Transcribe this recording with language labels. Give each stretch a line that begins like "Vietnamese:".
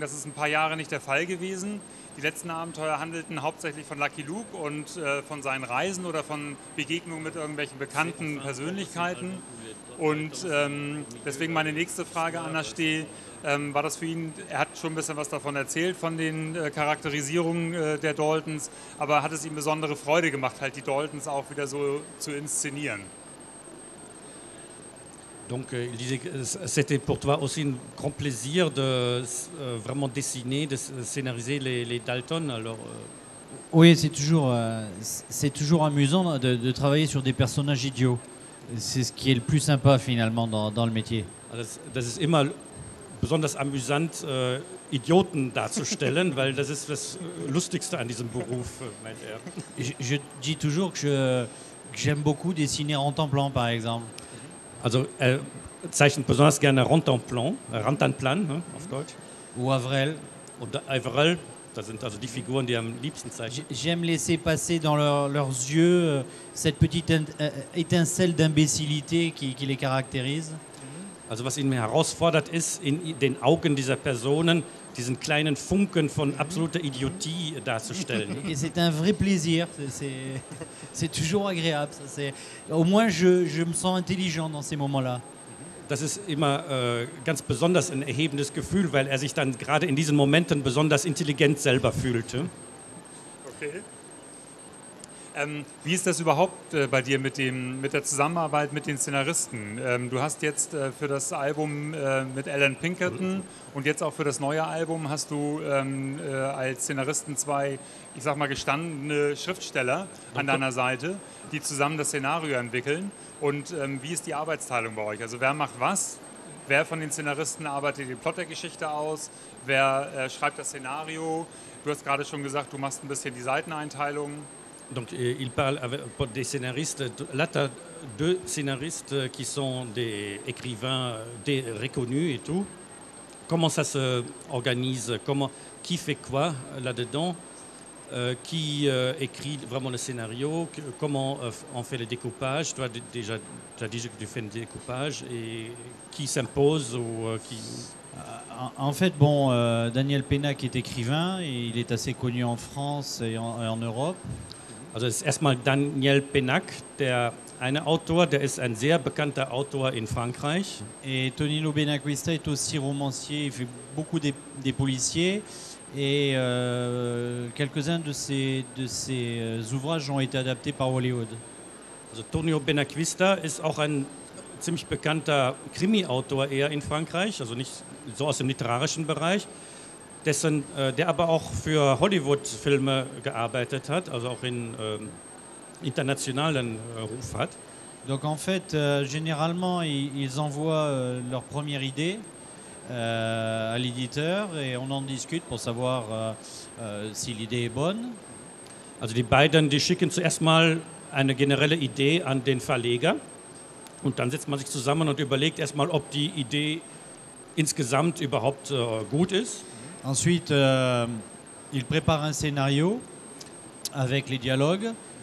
German: Das ist ein paar Jahre nicht der Fall gewesen. Die letzten Abenteuer handelten hauptsächlich von Lucky Luke und von seinen Reisen oder von Begegnungen mit irgendwelchen bekannten Persönlichkeiten. Und deswegen meine nächste Frage an Ashti. War das für ihn, er hat schon ein bisschen was davon erzählt, von den Charakterisierungen der Daltons, aber hat es ihm besondere Freude gemacht, halt die Daltons auch wieder so zu inszenieren?
French: Donc, il disait que c'était pour toi aussi un grand plaisir de vraiment dessiner, de scénariser les Dalton. Alors, Oui, c'est toujours amusant de travailler sur des personnages idiots. C'est ce qui est le plus sympa finalement dans le métier.
German: Das ist immer besonders amüsant, Idioten darzustellen, weil das ist das Lustigste an diesem Beruf, meint er.
French: Je dis toujours que j'aime beaucoup dessiner en temps plan, par exemple.
German: Also er zeichnet besonders gerne Rantanplan, Rantanplan auf Deutsch.
French: Ou Avrel.
German: Und Avrel, das sind also die Figuren, die er am liebsten zeichnet.
French: J'aime laisser passer dans leurs yeux cette petite étincelle d'imbécilité qui les caractérise.
German: Also was ihn herausfordert, ist, in den Augen dieser Personen diesen kleinen Funken von absoluter Idiotie darzustellen.
French: Et c'est un vrai plaisir, c'est toujours agréable. C'est, au moins je me sens intelligent dans ces moments-là.
German: Das ist immer ganz besonders ein erhebendes Gefühl, weil er sich dann gerade in diesen Momenten besonders intelligent selber fühlt. Okay. Wie ist das überhaupt bei dir mit der Zusammenarbeit mit den Szenaristen? Du hast jetzt für das Album mit Alan Pinkerton und jetzt auch für das neue Album hast du als Szenaristen zwei, ich sag mal, gestandene Schriftsteller an deiner Seite, die zusammen das Szenario entwickeln. Und wie ist die Arbeitsteilung bei euch? Also wer macht was? Wer von den Szenaristen arbeitet die Plot der Geschichte aus? Wer schreibt das Szenario? Du hast gerade schon gesagt, du machst ein bisschen die Seiteneinteilung.
French: Donc, il parle des scénaristes. Là, tu as deux scénaristes qui sont des écrivains reconnus et tout. Comment ça s'organise? Qui fait quoi là-dedans? Qui écrit vraiment le scénario? Comment on fait le découpage? Toi, déjà, tu as dit que tu fais le découpage. Et qui s'impose ou qui... En fait, bon, Daniel Pénac est écrivain. Et il est assez connu en France et en Europe.
German: Also es ist erstmal Daniel Pénac, der eine Autor, der ist ein sehr bekannter Autor in Frankreich.
French: Et Tonino Benacquista est aussi romancier, il fait beaucoup des policiers et quelques-uns de ses ouvrages ont été adaptés par Hollywood.
German: Also Tonino Benacquista ist auch ein ziemlich bekannter Krimi-Autor eher in Frankreich, also nicht so aus dem literarischen Bereich. Dessen, der aber auch für Hollywood-Filme gearbeitet hat, also auch in internationalen Ruf hat.
French: Donc en fait, généralement, ils envoient leur première idée à l'éditeur et on en discute pour savoir si l'idée est bonne.
German: Also die beiden, die schicken zuerst mal eine generelle Idee an den Verleger und dann setzt man sich zusammen und überlegt erstmal, ob die Idee insgesamt überhaupt gut ist.
French: Ensuite, il prépare un scénario avec les dialogues.